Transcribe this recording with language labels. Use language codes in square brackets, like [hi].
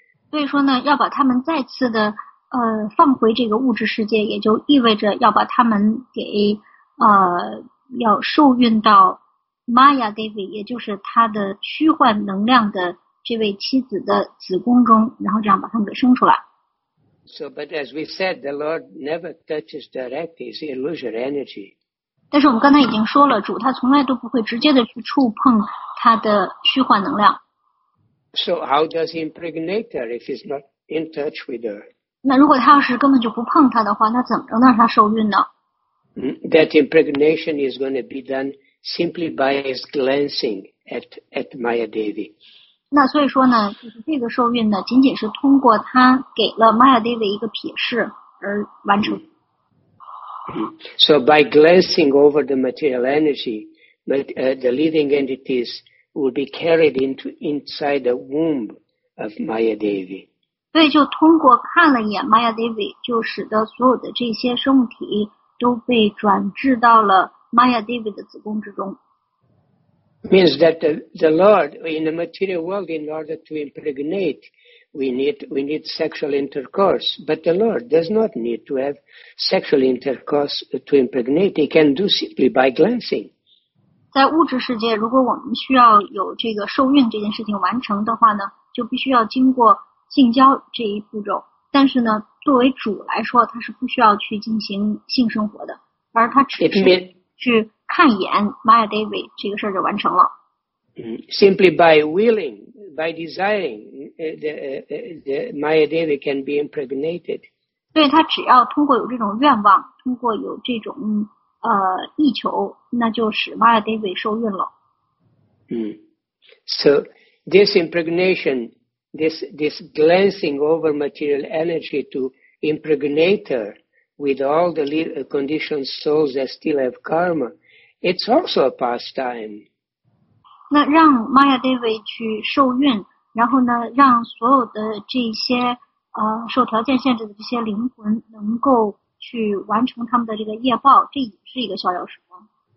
[zh] 所以说呢，要把他们再次的放回这个物质世界，也就意味着要把他们给要受孕到 Maya Devi， 也就是他的虚幻能量的这位妻子的子宫中，然后这样把他们给生出来。 [en] So, but as we said, the Lord never touches directly; it's illusory energy. [zh] 但是我们刚才已经说了，主他从来都不会直接的去触碰他的虚幻能量。 [en] So, how does he impregnate her if he's not in touch with her? [zh] 那如果他要是根本就不碰他的话，那怎么能让他受孕呢？ [en] That impregnation is going to be done simply by his glancing at Mahadevi. [zh] 那所以说呢，就是这个受孕呢，仅仅是通过他给了 Mahadevi 一个瞥视而完成。 [en] So by glancing over the material energy, the living entities will be carried inside the womb of Mahadevi. [zh] 所以就通过看了一眼 Mahadevi， 就使得所有的这些生物体都被转制到了 Mahadevi 的子宫之中。 [en] Means that the Lord in the material world, in order to impregnate, we need sexual intercourse. But the Lord does not need to have sexual intercourse to impregnate. He can do simply by glancing. [zh] 在物质世界，如果我们需要有这个受孕这件事情完成的话呢，就必须要经过性交这一步骤。但是呢，作为主来说，他是不需要去进行性生活的，而他只是去看看一眼 Maya Devi 这个事就完成了。 [en] Simply by willing, by desiring, the Maya Devi can be impregnated. [zh] 对，他只要通过有这种愿望，通过有这种意求，那就使 Maya Devi 受孕了。 [en] So this impregnation, this glancing over material energy to impregnate her with all the conditioned souls that still have karma, it's also a pastime. [zh] 那让 Maya Devi 去受孕，然后呢，让所有的这些受条件限制的这些灵魂能够去完成他们的这个业报，这也是一个逍遥时光。